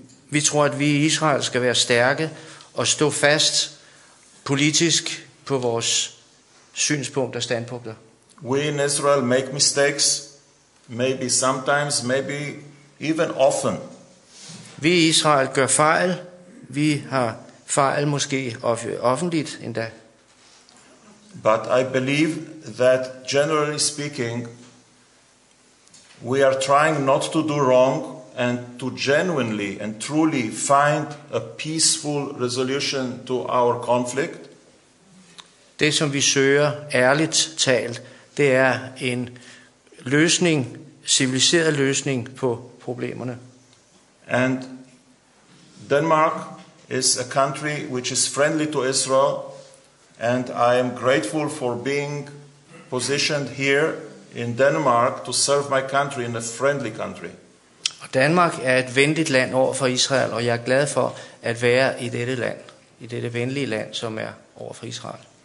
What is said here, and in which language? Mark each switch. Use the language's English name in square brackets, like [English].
[Danish] Vi tror, at vi i Israel skal være stærke og stå fast politisk på vores synspunkter og standpunkter. [English] We in Israel make mistakes, maybe sometimes, maybe even often. [Danish] Vi i Israel gør fejl. Vi har fejl måske offentligt endda. [English] But I believe that generally speaking, we are trying not to do wrong and to genuinely and truly find a peaceful resolution to our conflict. [Danish] Det som vi søger ærligt talt, det er en løsning, civiliseret løsning på problemerne. [English] And Denmark is a country which is friendly to Israel, and I am grateful for being positioned here in Denmark to serve my country in a friendly country. [Danish] Og Danmark er et venligt land over for Israel, og jeg er glad for at være i dette land, i dette venlige land, som er over for Israel.